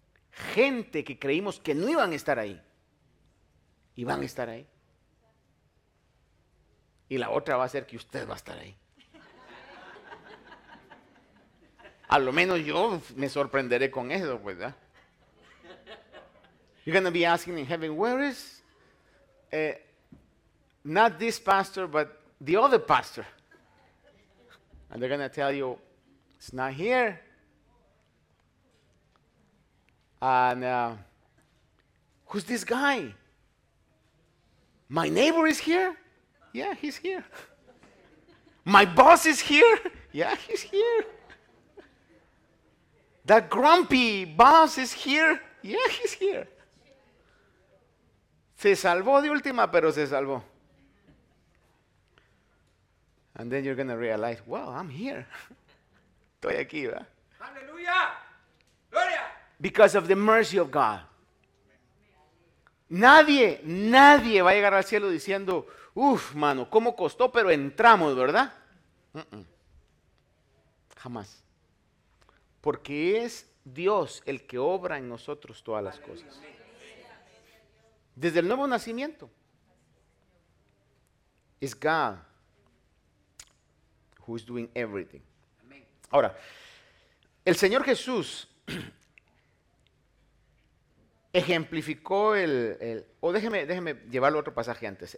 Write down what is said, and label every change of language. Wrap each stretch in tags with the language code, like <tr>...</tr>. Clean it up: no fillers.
<es>gente que creímos que no iban a estar ahí, iban a estar ahí. Y la otra va a ser que usted va a estar ahí. A lo menos yo me sorprenderé con eso, ¿verdad?</es> <en>You're going to be asking in heaven, where is not this pastor, but the other pastor? And they're going to tell you, it's not here. And who's this guy? My neighbor is here? Yeah, he's here. My boss is here? Yeah, he's here. That grumpy boss is here? Yeah, he's here.</en> <es>Se salvó de última, pero se salvó.</es> <en>And then you're going to realize, wow, I'm here.</en> <es>Estoy aquí, ¿verdad? ¡Aleluya! ¡Gloria!</es> <en>Because of the mercy of God.</en> <es>Nadie, nadie va a llegar al cielo diciendo, uff, mano, cómo costó, pero entramos, ¿verdad? Jamás. Porque es Dios el que obra en nosotros todas las cosas. Desde el nuevo nacimiento.</es> <en>Es God who is doing everything.</en> <es>Ahora, el Señor Jesús ejemplificó déjeme llevarlo a otro pasaje antes.</es>